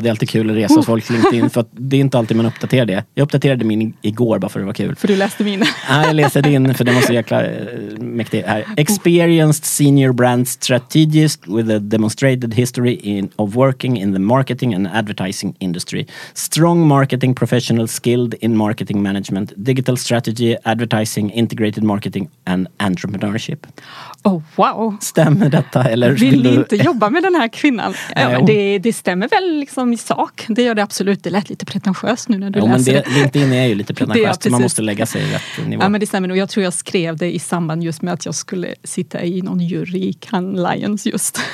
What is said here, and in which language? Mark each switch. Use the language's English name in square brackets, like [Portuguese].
[Swedish] Det är alltid kul att resa folk LinkedIn, för att det är inte alltid man uppdaterar det. Jag uppdaterade min igår bara för att det var kul. För du läste min. Nej, jag läste din, för det måste jag klara mäktigt här. [English] Experienced senior brand strategist with a demonstrated history of working in the marketing and advertising industry. Strong marketing professional skilled in marketing management, digital strategy, advertising, integrated marketing and entrepreneurship. Oh, wow. [Swedish] Stämmer detta? Eller vill du inte jobba med den här kvinnan? Ja, det stämmer väl liksom i sak. Det gör det absolut. Det lät lite pretentiöst nu när du läser det. LinkedIn är ju lite pretentiöst. Man måste lägga sig i rätt nivå. Ja, men det stämmer. Och jag tror jag skrev det i samband just med att jag skulle sitta i någon jury i Cannes Lions just.